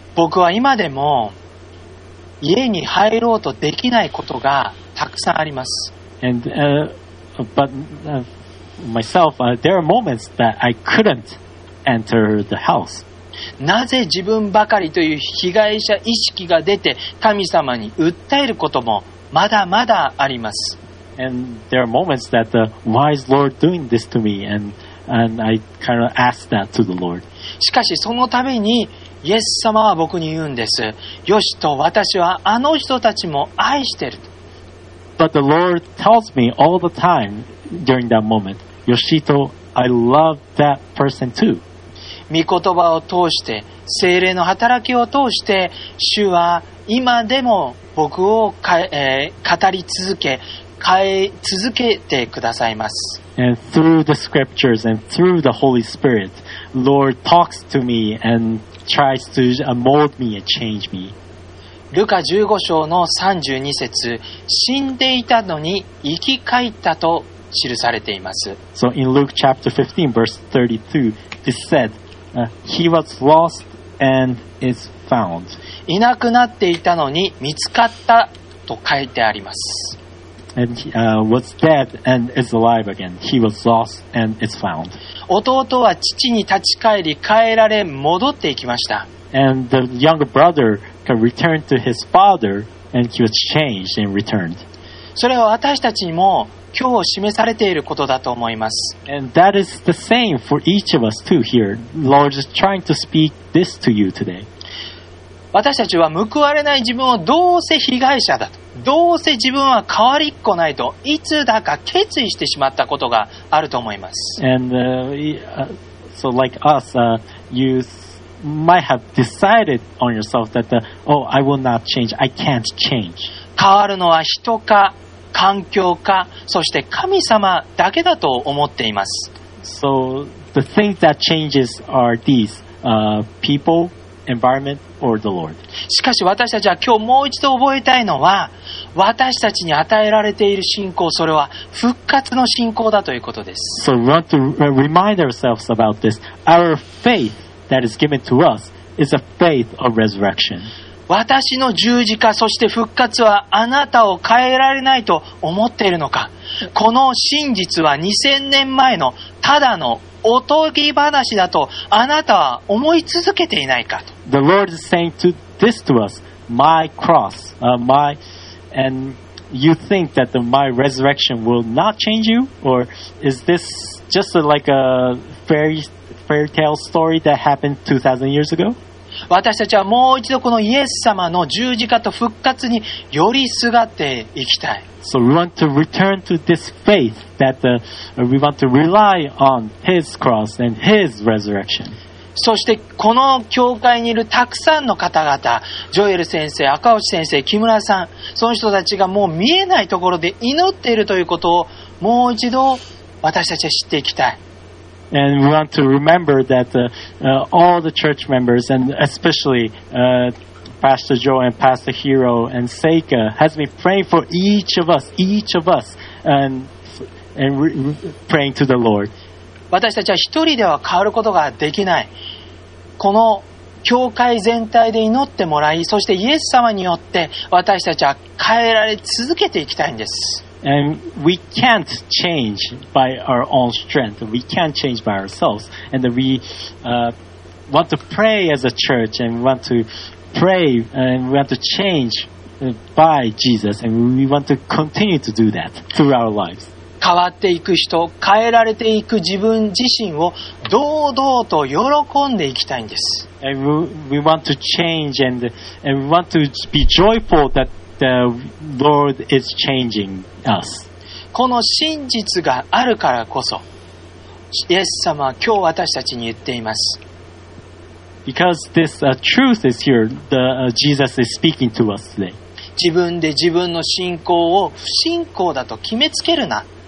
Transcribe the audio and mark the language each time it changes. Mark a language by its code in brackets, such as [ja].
[ja] 僕は今でも家に入ろうとできないことがたくさんあります。 [en] And myself, there are moments that I couldn't enter the house. [ja] なぜ自分ばかりという被害者意識が出て神様に訴えることもまだまだあります。 [en] And there are moments that why is Lord doing this to me? And I kind of ask that to the Lord. [ja] しかしそのためにイエス様は僕に言うんです。よしと私はあの人たちも愛してる。 [en] But the Lord tells me all the time. During that moment, Yoshito, I love that person too. [ja] 御言葉を通して、聖霊の働きを通して、主は今でも僕を語り続け、変え続けてくださいます。 [en] And through the scriptures and through the Holy Spirit, Lord talks to me and tries to mold me and change me. [ja] ルカ15章の32節、死んでいたのに生き返ったと記されています。 [en] So in Luke chapter 15 verse 32, it said, he was lost and is found. [ja] いなくなっていたのに見つかったと書いてあります。 [en] And he, was dead and is alive again. He was lost and is found. [ja] 弟は父に立ち返り帰られ戻っていきました。 [en] And the younger brother returned to his father and he was changed and returned. [ja] それは私たちにも今日示されていることだと思います。 [en] And that is the same for each of us too here. Lord is trying to speak this to you today. [ja] 私たちは報われない自分をどうせ被害者だと、どうせ自分は変わりっこないと、いつだか決意してしまったことがあると思います。 [en] And so like us, you might have decided on yourself that, I will not change. I can't change. [ja] 変わるのは人か、環境か、そして神様だけだと思っています。 [en] So, the things that changes are these, people, environment, or the Lord. [ja] しかし私たちは今日もう一度覚えたいのは、私たちに与えられている信仰、それは復活の信仰だということです。 [en] So we want to remind ourselves about this. Our faith that is given to us is a faith of resurrection. [ja] 私の十字架、そして復活はあなたを変えられないと思っているのか。この真実は2000年前のただのおとぎ話だとあなたは思い続けていないかと。 [en] The Lord is saying to this to us, my cross, and you think that my resurrection will not change you? Or is this just like a fairy tale story that happened 2000 years ago? [ja] 私たちはもう一度このイエス様の十字架と復活によりすがっていきたい。 [en] So we want to return to this faith that we want to rely on his cross and his resurrection. [ja] そしてこの教会にいるたくさんの方々、ジョエル先生、赤星先生、木村さん、その人たちがもう見えないところで祈っているということをもう一度私たちは知っていきたい。 [en] And we want to remember that all the church members, and especially Pastor Joe and Pastor Hiro and Seika, has been praying for each of us, praying to the Lord. [ja] 私たちは一人では変わることができない。この教会全体で祈ってもらい、そしてイエス様によって私たちは変えられ続けていきたいんです。 [en] And we can't change by our own strength. We can't change by ourselves. And we want to pray as a church, and we want to pray, and we want to change by Jesus. And we want to continue to do that through our lives. [ja] 変わっていく人、変えられていく自分自身を堂々と喜んでいきたいんです。 [en] And we want to change, and we want to be joyful that. The Lord is changing us. [ja] この真実があるからこそ、イエス様は今日私たちに言っています。 [en] Because this truth is here, Jesus is speaking to us today. [ja] 自分で自分の信仰を不信仰だと決めつけるな。